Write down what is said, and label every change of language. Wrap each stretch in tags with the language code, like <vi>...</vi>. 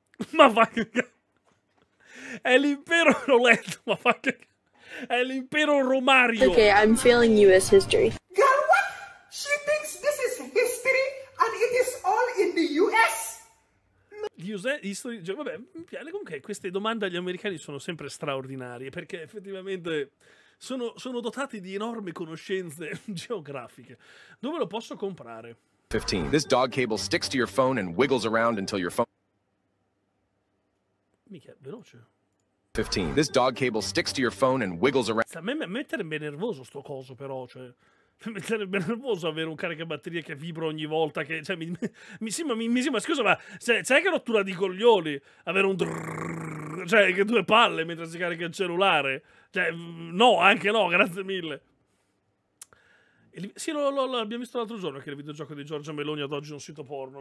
<it>Ma fa che è l'impero, l'ho letto, ma fa che è l'impero Romario.</it> <en>Okay, I'm feeling US history. Girl, what? She thinks this is history and it is all in the US.</en> <it>Vabbè, comunque queste domande agli americani sono sempre straordinarie, perché effettivamente sono dotati di enormi conoscenze geografiche. Dove lo posso comprare? 15.</it> <en>This dog cable sticks to your phone and wiggles around until your phone...</en> <it>Mica, veloce. 15.</it> <en>This dog cable sticks to your phone and wiggles around...</en> <it>A me metterebbe nervoso sto coso, però, cioè... Mi sarebbe nervoso avere un caricabatterie che vibra ogni volta che... Cioè, ma scusa, c'è che rottura di coglioni avere un... Drrr, cioè, che due palle mentre si carica il cellulare. Cioè, no, anche no, grazie mille. Sì, l'abbiamo visto l'altro giorno, che il videogioco di Giorgia Meloni ad oggi è un sito porno.</it>